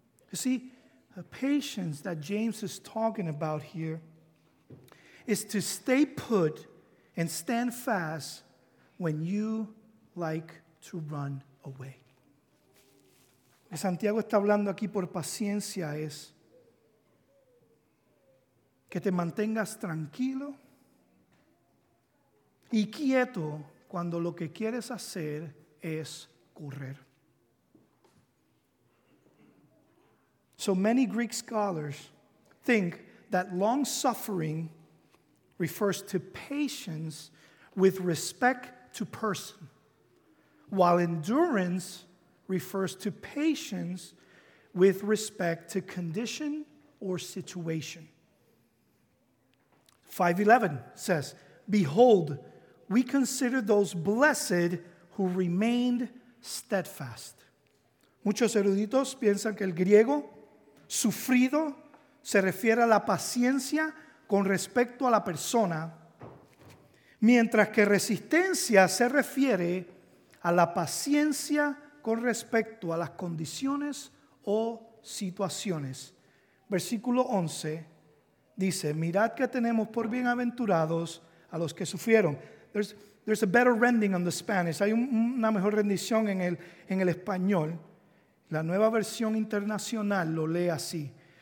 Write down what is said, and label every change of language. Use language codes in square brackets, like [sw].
[en] You see, the patience that James is talking about here is to stay put and stand fast when you like to run away. [es] Santiago está hablando aquí por paciencia es que te mantengas tranquilo y quieto cuando lo que quieres hacer es correr. [en] So many Greek scholars think that long suffering refers to patience with respect to person, while endurance refers to patience with respect to condition or situation. 5:11 says, "Behold, we consider those blessed who remained steadfast." [es] Muchos eruditos piensan que el griego sufrido se refiere a la paciencia con respecto a la persona, mientras que resistencia se refiere a la paciencia con respecto a las condiciones o situaciones. Versículo 11 dice, mirad que tenemos por bienaventurados a los que sufrieron. [en] There's a better rendering on the Spanish. [es] Hay una mejor rendición en el español. La nueva versión internacional lo lee así.